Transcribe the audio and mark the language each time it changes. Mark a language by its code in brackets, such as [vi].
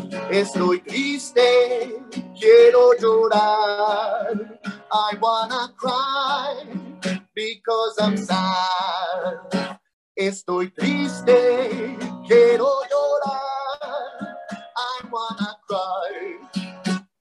[es] Estoy triste, quiero llorar. [en] I wanna cry because I'm sad. [es] Estoy triste, quiero llorar. [en] I wanna cry.